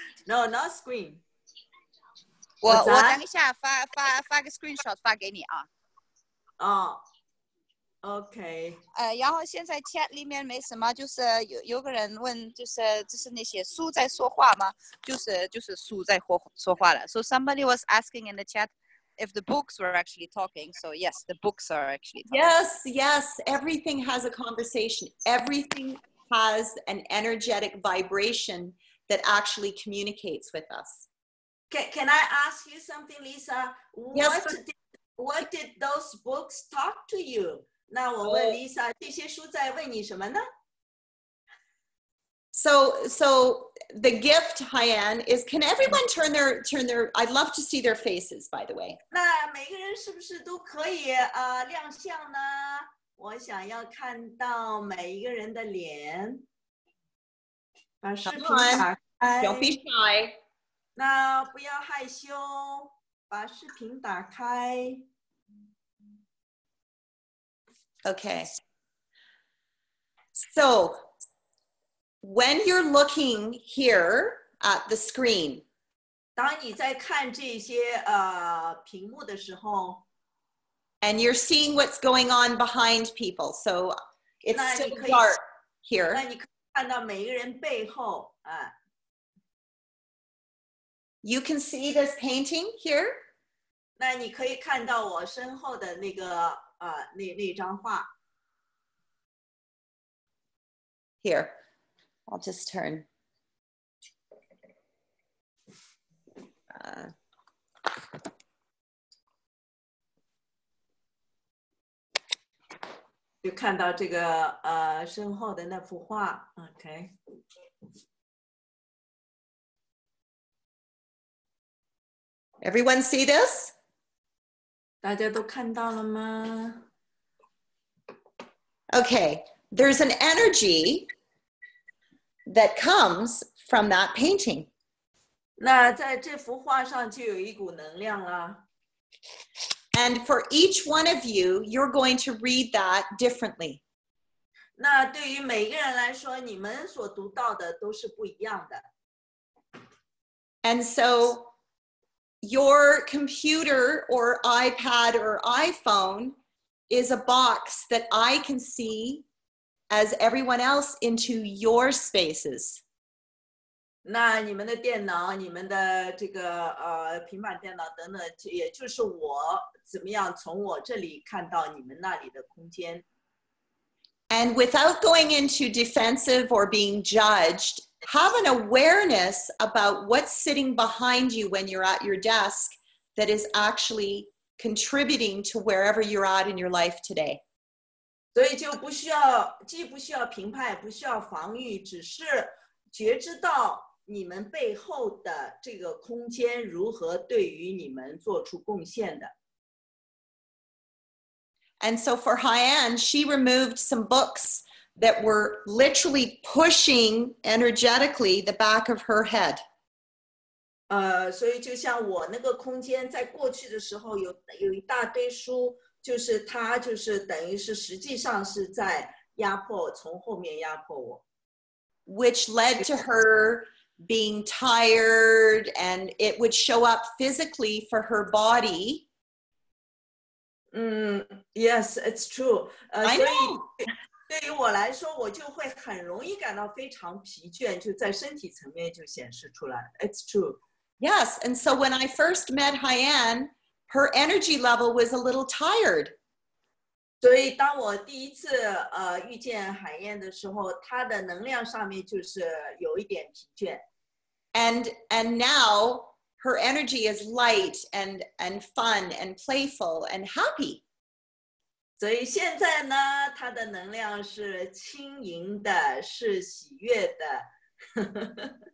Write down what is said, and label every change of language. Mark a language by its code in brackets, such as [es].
[en] no not screen。 [zh] 我等一下发个 screenshot 发给你啊。 [en] OK。 [zh] 然后现在 chat 里面没什么，就是有个人问，就是那些书在说话吗？就是书在说话了。 [en] So somebody was asking in the chat if the books were actually talking. So yes, the books are actually talking. Yes. Everything has a conversation. Everything has an energetic vibration that actually communicates with us. Can I ask you something, Lisa? Yes. What did What did those books talk to you? [zh] 那我问 Lisa, 这些书在问你什么呢？ [en] So the gift, Hyann, is can everyone turn their, I'd love to see their faces, by the way. [zh] 那每个人是不是都可以亮相呢？我想要看到每一个人的脸。把视频打开。 [en] Don't be shy. [zh] 那不要害羞，把视频打开。 [en] Okay. So, when you're looking here at the screen, [zh] 当你在看这些屏幕的时候, [en] and you're seeing what's going on behind people, so it's still dark here. [zh] 那你可以看到每一个人背后, [en] You can see this painting here. [zh] 那你可以看到我身后的那个, 那张画。 [en] Here. I'll just turn. You can see this, [zh] 身后的那幅画, [en] okay. Everyone see this? [zh] 大家都看到了吗? [en] Okay, there's an energy that comes from that painting. [zh] 那在这幅画上就有一股能量了。 [en] And for each one of you, you're going to read that differently. [zh] 那对于每个人来说，你们所读到的都是不一样的。 [en] And so, your computer or iPad or iPhone is a box that I can see as everyone else into your spaces. [zh] 那你们的电脑，你们的这个平板电脑等等，也就是我怎么样从我这里看到你们那里的空间。 [en] And without going into defensive or being judged, have an awareness about what's sitting behind you when you're at your desk that is actually contributing to wherever you're at in your life today. [zh] 所以就不需要，既不需要评判，不需要防御，只是觉知到你们背后的这个空间如何对于你们做出贡献的。 [en] And so for Hyann, she removed some books that were literally pushing energetically the back of her head. [zh] 所以就像我那个空间在过去的时候有一大堆书，就是它就是等于是实际上是在压迫，从后面压迫我。 [en] Which led to her being tired and it would show up physically for her body. Yes, it's true. I know. [zh] 对于我来说，我就会很容易感到非常疲倦，就在身体层面就显示出来。 [en] It's true. Yes, and so when I first met Hyann, her energy level was a little tired. [zh] 所以当我第一次遇见海燕的时候，她的能量上面就是有一点疲倦。 [en] And now her energy is light and fun and playful and happy. [zh] 所以现在呢，她的能量是轻盈的，是喜悦的。